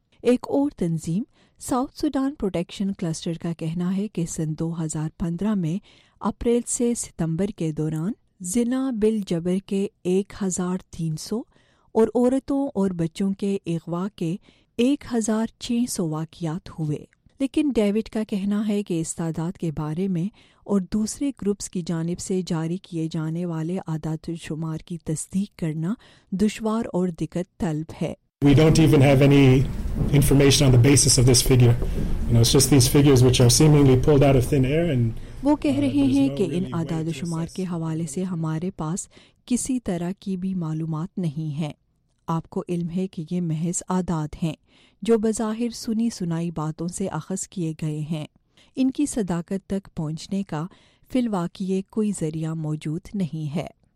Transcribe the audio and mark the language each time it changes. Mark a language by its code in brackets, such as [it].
[ur] ایک اور تنظیم ساؤتھ سوڈان پروٹیکشن کلسٹر کا کہنا ہے کہ سن 2015 میں اپریل سے ستمبر کے دوران زنا بل جبر کے 1300 اور عورتوں اور بچوں کے اغوا کے 1600 واقعات ہوئے. لیکن ڈیوڈ کا کہنا ہے کہ اس تعداد کے بارے میں اور دوسرے گروپس کی جانب سے جاری کیے جانے والے اعداد و شمار کی تصدیق کرنا دشوار اور دقت طلب ہے. [en] We don't even have any information on the basis of this figure. You know, it's just these figures which are seemingly pulled out of thin air. And [ur] وہ کہہ رہے ہیں کہ ان اعداد و شمار کے حوالے سے ہمارے پاس کسی طرح کی بھی معلومات نہیں ہے. آپ کو علم ہے کہ یہ محض اعداد ہیں جو بظاہر سنی سنائی باتوں سے اخذ کیے گئے ہیں. ان کی صداقت تک پہنچنے کا فی الواقع کوئی ذریعہ موجود نہیں ہے.